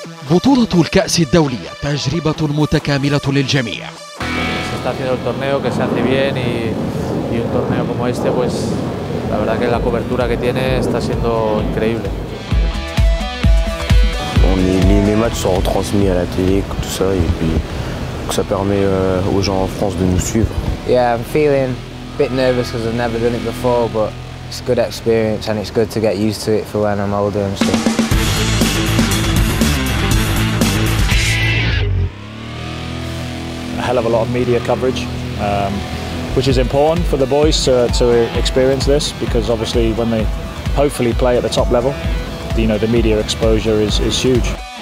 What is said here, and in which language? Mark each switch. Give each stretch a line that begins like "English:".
Arabic: بطولة الكأس الدولية تجربة متكاملة للجميع.
Spanish: Se está haciendo el torneo, que se hace bien y un torneo como este, pues la verdad que la cobertura que tiene está siendo increíble.
French: Les matchs sont retransmis à la télé, tout ça, et puis ça permet aux gens en France de nous suivre.
English: Yeah, I'm feeling a bit nervous because I've never done it before, but it's a good experience and it's good to get used to it for when I'm older and stuff. A hell of a lot of media coverage, which is important for the boys to experience this, because obviously when they hopefully play at the top level, you know, the media exposure is huge.